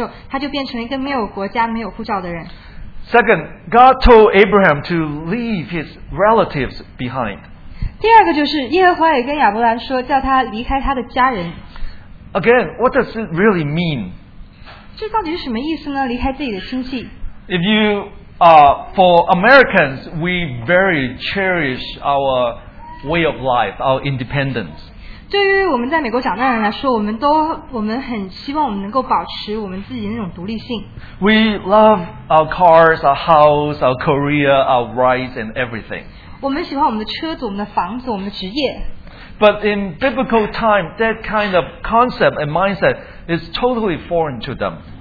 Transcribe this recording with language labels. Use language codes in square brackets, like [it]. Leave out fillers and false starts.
[zh] 这就是发生在亚伯拉罕的身上的事情。当他决定说答应神去离开父家的时候，他就变成一个没有国家、没有护照的人。 [en] Second, God told Abraham to leave his relatives behind. [zh] 第二个就是耶和华也跟亚伯兰说，叫他离开他的家人。 [en] Again, what does it really mean? [zh] 这到底是什么意思呢？离开自己的亲戚。 [en] If you for Americans, we very cherish our way of life, our independence. [zh] 对于我们在美国长大的人来说，我们很希望我们能够保持我们自己那种独立性。 [en] We love our cars, our house, our career, our rights, and everything. [zh] 我们喜欢我们的车子、我们的房子、我们的职业。 [en] But in biblical time, that kind of concept and mindset is totally foreign to them.